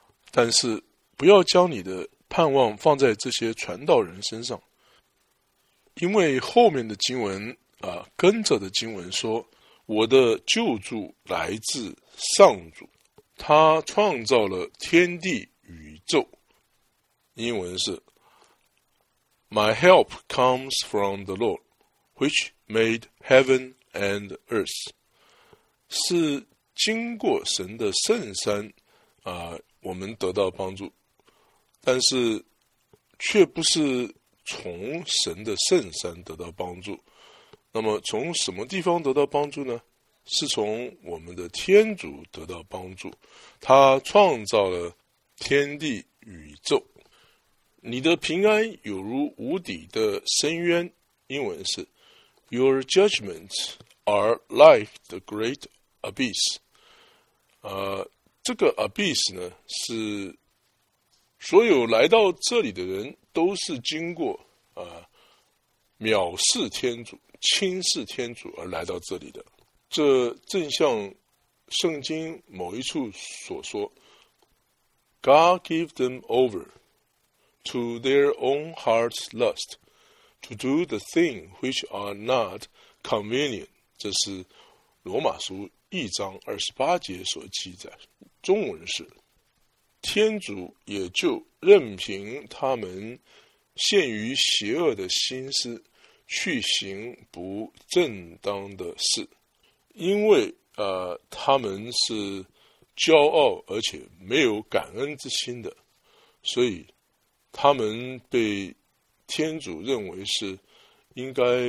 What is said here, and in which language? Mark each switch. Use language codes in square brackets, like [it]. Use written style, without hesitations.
[zh] 但是不要将你的盼望放在这些传道人身上，因为后面的经文跟着的经文说，我的救助来自上主，他创造了天地宇宙。英文是 [en] My help comes from the Lord, which made heaven and earth. [zh] 是经过神的圣山我们得到帮助，但是却不是从神的圣山得到帮助。那么从什么地方得到帮助呢？是从我们的天主得到帮助，他创造了天地宇宙。你的平安有如无底的深渊，英文是 [en] Your judgments are like the great abyss。 [zh] 这个 abyss 呢，是所有来到这里的人都是经过藐视天主、轻视天主而来到这里的。这正像圣经某一处所说， [en] God gave them over to their own heart's lust to do the thing which are not convenient [zh] 这是罗马书一章二十八节所记载，中文是：天主也就任凭他们陷于邪恶的心思，去行不正当的事，因为他们是骄傲而且没有感恩之心的，所以他们被天主认为是应该